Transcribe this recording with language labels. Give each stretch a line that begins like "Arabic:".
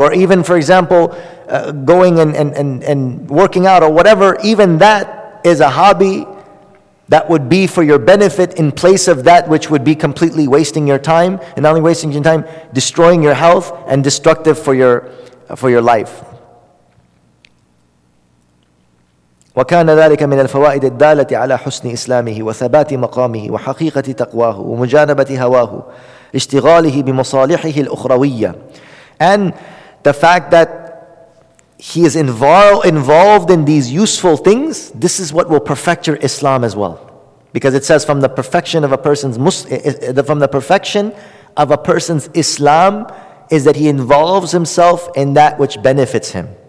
English: Or even, for example, going and working out or whatever. Even that is a hobby that would be for your benefit in place of that which would be completely wasting your time. And not only wasting your time, destroying your health and destructive for your life.
Arabic: وكان ذلك من الفوائد الدالة على حسن إسلامه وثبات مقامه وحقيقة تقواه ومجانبة هواه اشتغاله بمصالحه الأخروية.
English: And the fact that he is involved in these useful things, this is what will perfect your Islam as well. Because it says from the perfection of a person's Islam is that he involves himself in that which benefits him.